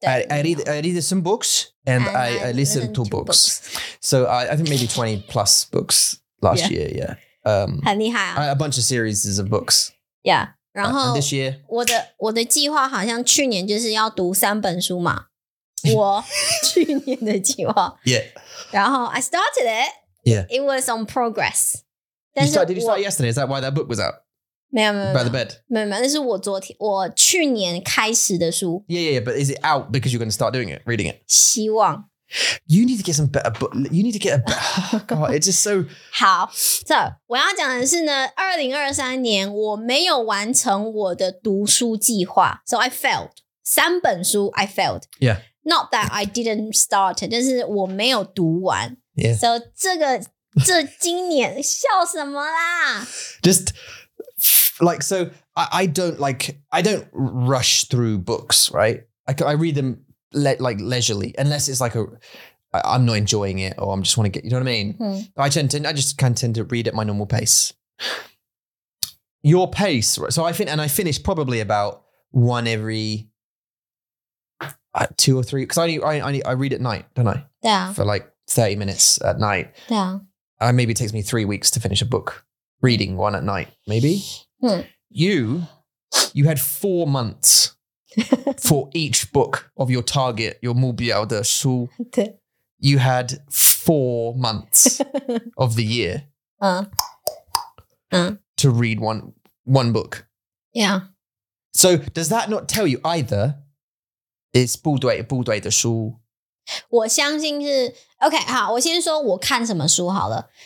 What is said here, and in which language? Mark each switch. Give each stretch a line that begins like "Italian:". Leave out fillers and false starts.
English: I read some books and I listen to books. So I think maybe 20 plus books last year. Yeah.
Chinese: 很厉害啊。
English: A bunch of series of books. Yeah. 然后 this year,
Chinese: 我的计划好像去年就是要读三本书嘛。我去年的计划。
English: Yeah. 然后 I started it. Yeah. It was on progress. Did you start yesterday? Is that why that book was out?
Chinese: 没有没有
English: by the bed.
Chinese: 没有没有，那是我昨天我去年开始的书。
English: Yeah, yeah, yeah. But is it out because you're going to start doing it, reading it?
Chinese: 希望。
English: You need to get some better book. You need to get a better. God, it's just so.
Chinese: 好 ，So 我要讲的是呢，2023年我没有完成我的读书计划 ， So I failed.
English: 三本书 I failed. Yeah. Not that I didn't start, 但是我没有读完。 Yeah.
Chinese: So 这个这今年笑什么啦
English: ？Just. Like, so I don't rush through books, right? I read them like leisurely, unless it's like I'm not enjoying it or I'm just want to get, you know what I mean? Hmm. I just tend to read at my normal pace. Your pace, right? So I finish probably about one every two or three, because I read at night, don't I? Yeah. For like 30 minutes at night. Yeah. Maybe it takes me 3 weeks to finish a book, reading one at night, maybe. You had 4 months for each book of your target, your 目标的书. You had 4 months of the year to read one book. Yeah. So does that not tell you either it's 不对不对的书?
Chinese: 我相信是 OK, 好我先说我看什么书好了。